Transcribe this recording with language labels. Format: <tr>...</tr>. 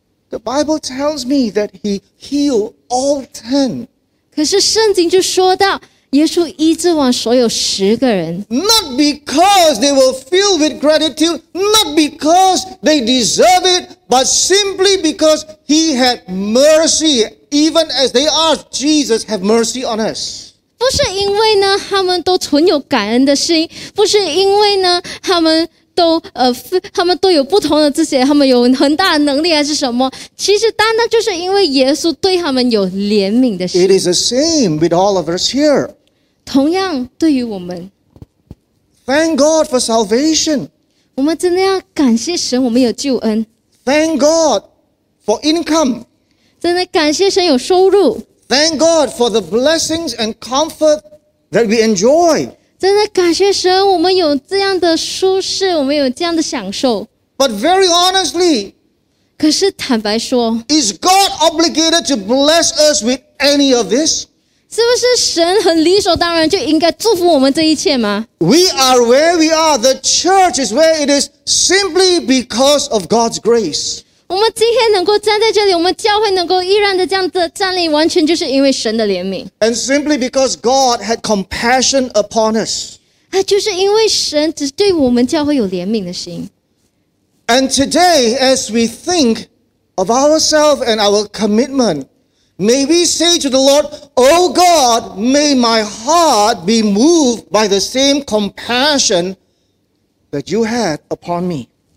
<en>？The Bible tells me that he healed all 10.</en> <zh>可是圣经就说到。耶稣医治完所有十个人</zh> <en>Not because they were filled with gratitude Not because they deserve it But simply because he had mercy Even as they asked Jesus have mercy on us</en> <zh>不是因为呢他们都存有感恩的心不是因为呢他们都他们都有不同的这些他们有很大的能力还是什么其实单单就是因为耶稣对他们有怜悯的心</zh> <en>It is the same with all of us here</en> <zh>同样对于我们</zh> <en>Thank God for salvation</en> <zh>我们真的要感谢神我们有救恩</zh> <en>Thank God for income</en> <zh>真的感谢神有收入</zh> <en>Thank God for the blessings and comfort that we enjoy</en> <zh>真的感谢神，我们有这样的舒适，我们有这样的享受。</zh> <en>But very honestly,</en> <zh>可是坦白说,</zh> <en>is God obligated to bless us with any of this?</en> <zh>是不是神很理所当然就应该祝福我们这一切吗?</zh> <en>We are where we are. The church is where it is simply because of God's grace.</en> <zh>我们今天能够站在这里，我们教会能够依然的这样子站立，完全就是因为神的怜悯。</zh> <en>And simply because God had compassion upon us.</en> <zh>就是因为神只对我们教会有怜悯的心。</zh> <en>And today, as we think of ourselves and our commitment, may we say to the Lord, Oh God, may my heart be moved by the same compassion that you had upon me.</en>